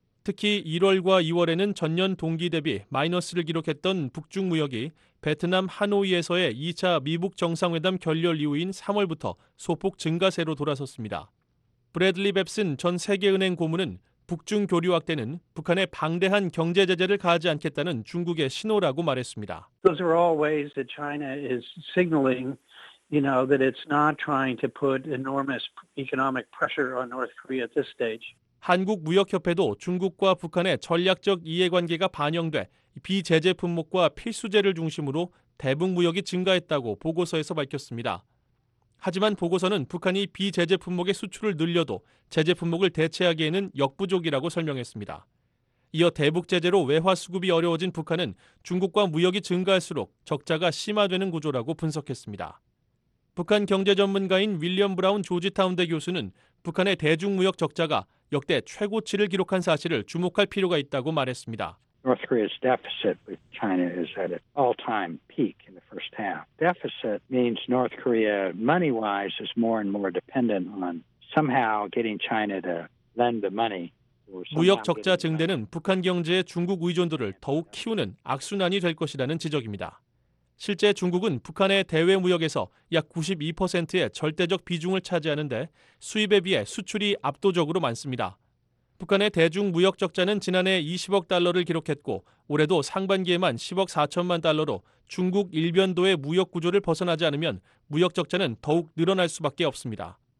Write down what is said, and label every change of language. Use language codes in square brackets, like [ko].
[ko] 특히 1월과 2월에는 전년 동기 대비 마이너스를 기록했던 북중 무역이 베트남 하노이에서의 2차 미북 정상회담 결렬 이후인 3월부터 소폭 증가세로 돌아섰습니다. 브래들리 뱁슨 전 세계은행 고문은 북중 교류 확대는 북한의 방대한 경제 제재를 가하지 않겠다는 중국의 신호라고 말했습니다. [en] Those are all ways that China is signaling, you know, that it's not trying to put enormous economic pressure on North Korea at this stage. [ko] 한국무역협회도 중국과 북한의 전략적 이해관계가 반영돼 비제재 품목과 필수재를 중심으로 대북 무역이 증가했다고 보고서에서 밝혔습니다. 하지만 보고서는 북한이 비제재 품목의 수출을 늘려도 제재 품목을 대체하기에는 역부족이라고 설명했습니다. 이어 대북 제재로 외화 수급이 어려워진 북한은 중국과 무역이 증가할수록 적자가 심화되는 구조라고 분석했습니다. 북한 경제 전문가인 윌리엄 브라운 조지타운대 교수는 북한의 대중 무역 적자가 역대 최고치를 기록한 사실을 주목할 필요가 있다고 말했습니다. [en] North Korea's deficit with China is at an all-time peak in the first half. Deficit means North Korea money-wise is more and more dependent on somehow getting China to lend the money. [ko] 무역 적자 증대는 북한 경제의 중국 의존도를 더욱 키우는 악순환이 될 것이라는 지적입니다. 실제 중국은 북한의 대외 무역에서 약 92%의 절대적 비중을 차지하는데 수입에 비해 수출이 압도적으로 많습니다. 북한의 대중 무역 적자는 지난해 20억 달러를 기록했고 올해도 상반기에만 10억 4천만 달러로 중국 일변도의 무역 구조를 벗어나지 않으면 무역 적자는 더욱 늘어날 수밖에 없습니다.